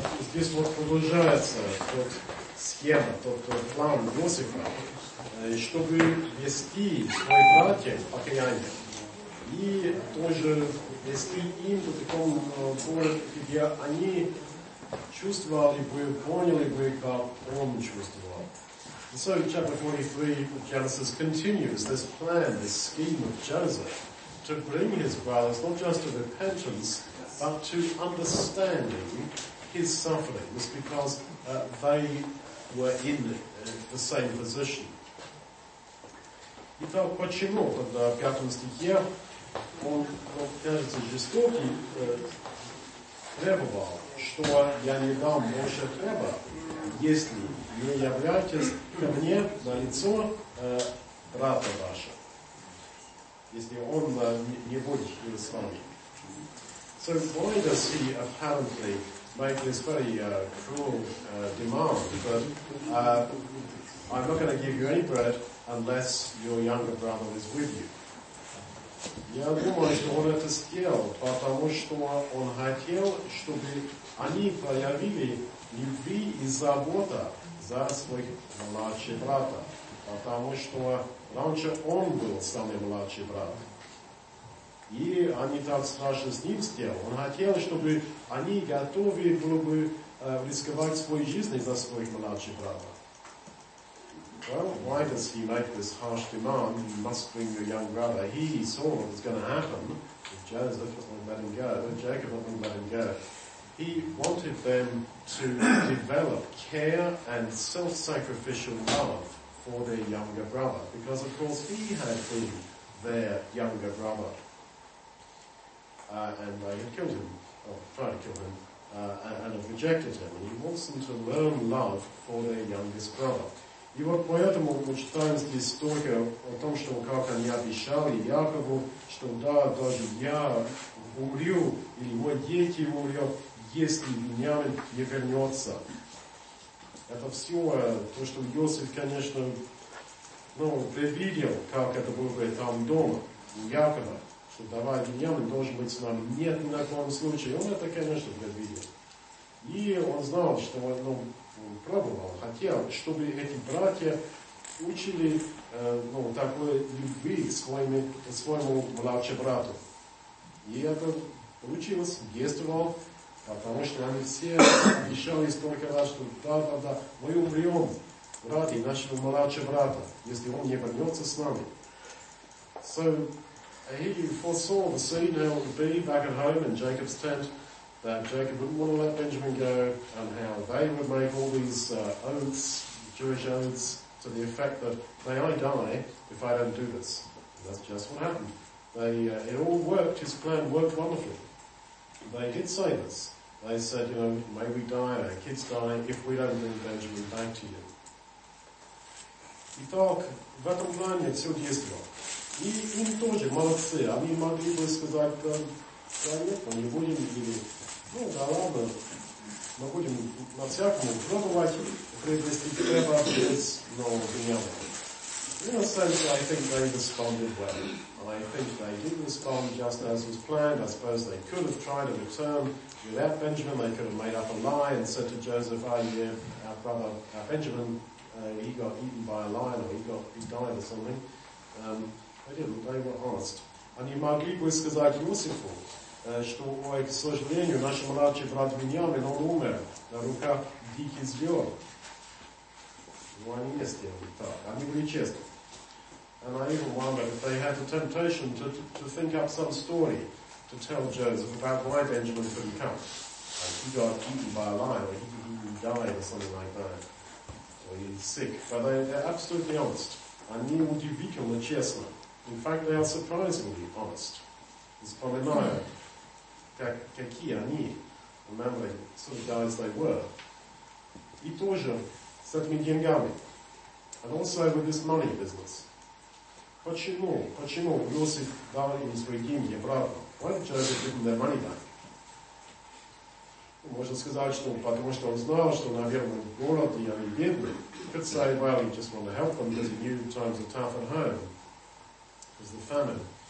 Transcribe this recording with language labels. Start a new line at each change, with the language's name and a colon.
Russian: Здесь вот продолжается тот схема, тот план Иосифа, чтобы вести свои братья покаяние и тоже вести им по такому городу, где они чувствовали бы, поняли бы, как он чувствовал.
English: So in chapter 43 of Genesis continues this plan, this scheme of Joseph to bring his brothers not just to repentance but to understanding his sufferings because they were in the same position.
Russian: Итак, почему тогда в пятом стихе он кажется жестокий требовал, что я не дам больше хлеба, если не являетесь ко мне на лицо брата ваша, если он не будет с вами.
English: So why does he apparently make this very cruel demand? But I'm not going to give you any bread unless your younger brother is with you.
Russian: Я думаю, что он это сделал, потому что он хотел, чтобы они проявили любви и забота за своих младших брата, потому что раньше он был самый младший брат. И они так страшно с ним сделали. Он хотел, чтобы они готовы были бы рисковать своей жизнью за своих младших брата.
English: Well, why does he make this harsh demand? You must bring your young brother. He saw what was going to happen if Joseph wouldn't let him go, if Jacob wouldn't let him go. He wanted them to develop care and self-sacrificial love for their younger brother, because of course he had been their younger brother, and they had killed him, or tried to kill him, and had rejected him. And he wants them to learn love for their youngest brother.
Russian: И вот поэтому мы читаем здесь историю о том, что как они обещали Якову, что да, даже я умру, или мои дети умрут, если Вениамин не вернется. Это все то, что Иосиф, конечно, предвидел, как это было бы там дома, у Якова, что давай, Вениамин должен быть с нами. Нет, ни на коем случае. Он это, конечно, предвидел. И он знал, что пробовал, хотел, чтобы эти братья учили такой любви к своему младшему брату. И это получилось, действовал, потому что они все обещали столько раз, что да, мы умрем ради нашего младшего брата, если он не вернется с нами.
English: So he foresaw the scene how it would be back at home in Jacob's tent, that Jacob wouldn't want to let Benjamin go, and how they would make all these oaths, Jewish oaths, to the effect that may I die if I don't do this. And that's just what happened. It all worked, his plan worked wonderfully. They did say this. They said, may we die, our kids die, if we don't bring Benjamin back to you.
Russian: Итак, в этом плане все действовало. И им тоже молодцы. Они могли бы сказать, да нет, мы не будем, или да ладно, мы будем на всякому пробовать приобрести хлеба без нового Вениамина.
English: In a sense, I think they responded well. I think they did respond just as was planned. I suppose they could have tried to return without Benjamin. They could have made up a lie and said to Joseph, our brother, our Benjamin, he got eaten by a lion or he died or something. They didn't. They were honest.
Russian: Они могли бы сказать Иосифу, что, ой, к сожалению, наш младший брат Вениамин, он умер на руках диких зверей. Но они не сделали так. Они были честны.
English: And I even wonder if they had the temptation to think up some story to tell Joseph about why Benjamin couldn't come. Like he got eaten by a lion, or he even died, or something like that. Or he's sick. But they're absolutely honest.
Russian: Они удивительно честны.
English: In fact, they are surprisingly honest. It's probably not.
Russian: Какие они,
English: remembering sort of guys they were.
Russian: И тоже с этими деньгами.
English: And also with this money business.
Russian: Почему Иосиф дал им свои деньги обратно?
English: Why did Joseph give them their money back?
Russian: Можно сказать, что потому что он знал, что, наверное, город, и они бедны.
English: Could say, well, he just wanted to help them because he knew times are tough at home. Because the famine.